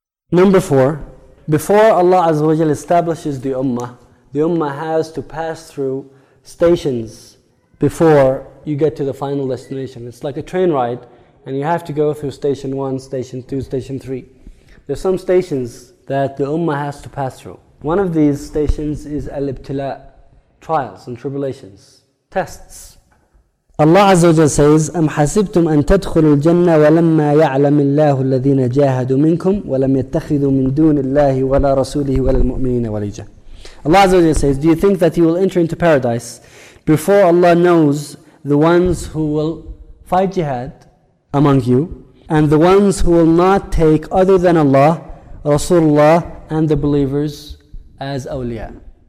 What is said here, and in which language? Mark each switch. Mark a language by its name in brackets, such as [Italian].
[English] Number four, before Allah Azza wa Jalla establishes the Ummah has to pass through stations before you get to the final destination. It's like a train ride, and you have to go through station one, station two, station three. There's some stations that the Ummah has to pass through. One of these stations is al-ibtila, trials and tribulations, tests. Allah Azza wa Jalla says, [Arabic] أَمْ حَسِبْتُمْ أَن تَدْخُلُوا الْجَنَّةَ وَلَمَّا يَعْلَمِ اللَّهُ الَّذِينَ جَاهَدُوا مِنْكُمْ وَلَمْ يَتَّخِذُوا مِنْ دُونِ اللَّهِ وَلَا رَسُولِهِ وَلَا الْمُؤْمِنِينَ وَلِيجَةً. [English] Allah Azza wa Jalla says, do you think that you will enter into paradise before Allah knows the ones who will fight jihad among you and the ones who will not take other than Allah, Rasulullah, and the believers as awliya?